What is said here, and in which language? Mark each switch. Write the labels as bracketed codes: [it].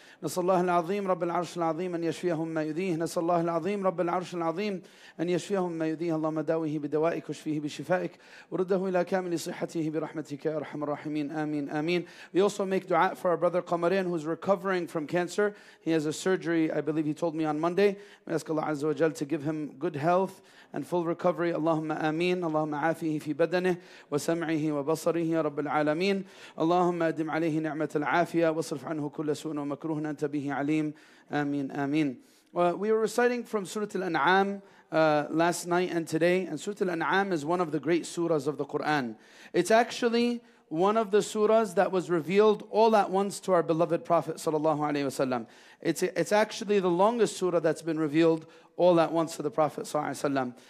[ar] نسأل الله العظيم رب العرش العظيم أن يشفيهم ما يؤذيه. نسأل الله العظيم رب العرش العظيم أن يشفيهم ما يؤذيه. اللهم داويه بدوائك واشفيه بشفائك ورده إلى كامل صحته برحمتك يا أرحم الراحمين. آمين آمين. [en] We also make dua for our brother Qamarin, who is recovering from cancer. He has a surgery, I believe he told me on Monday. We ask Allah Azza wa Jal to give him good health and full recovery. [ar] اللهم آمين. اللهم عافيه في بدنه وسمعه وبصره يا رب العالمين. اللهم أدم عليه نعمة العافية واصرف عنه كل سوء ومكروه أنت به عليم. آمين آمين. [en] We were reciting from Surah Al-An'am last night and today. And Surah Al-An'am is one of the great surahs of the Quran. It's actually one of the surahs that was revealed all at once to our beloved Prophet sallallahu alaihi wasallam. It's actually the longest surah that's been revealed all at once to the Prophet sallallahu alaihi wasallam.